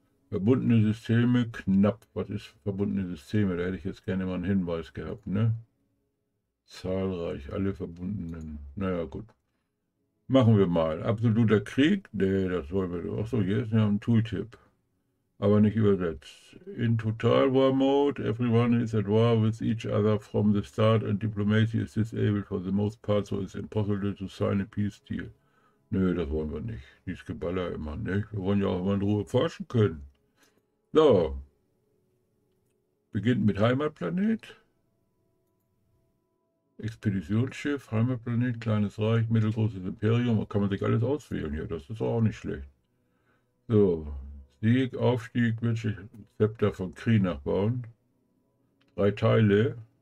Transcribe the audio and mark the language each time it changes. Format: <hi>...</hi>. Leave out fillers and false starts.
<de>Verbundene Systeme knapp. Was ist verbundene Systeme? Da hätte ich jetzt gerne mal einen Hinweis gehabt, ne? Zahlreich, alle verbundenen. Naja, gut. Machen wir mal. Absoluter Krieg? Nee, das wollen wir doch. Achso, hier ist ja ein Tooltip. Aber nicht übersetzt.</de> <en>In Total War Mode, everyone is at war with each other from the start and diplomacy is disabled for the most part, so it's impossible to sign a peace deal.</en> <de>Nö, das wollen wir nicht. Dieses Geballer immer, ne? Wir wollen ja auch immer in Ruhe forschen können. So. Beginnt mit Heimatplanet. Expeditionsschiff, Heimatplanet, kleines Reich, mittelgroßes Imperium. Da kann man sich alles auswählen hier. Das ist auch nicht schlecht. So. Sieg, Aufstieg, welche Zepter von Kree nachbauen? Drei Teile.</de>